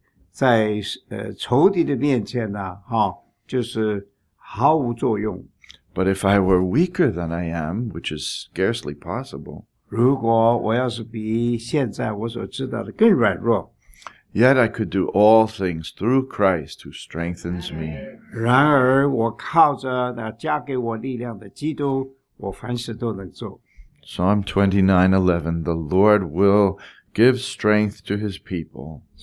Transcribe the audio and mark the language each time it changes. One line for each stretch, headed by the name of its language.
Chinese: 在仇敌的面前呢，就是毫无作用。
English: But if I were weaker than I am, which is scarcely possible,
Chinese: 如果我要是比现在我所知道的更软弱,
English: yet I could do all things through Christ who strengthens me.
Chinese: 然而我靠着那加给我力量的基督, 我凡事都能做。
English: Psalm 29:11, the Lord will give strength to his people.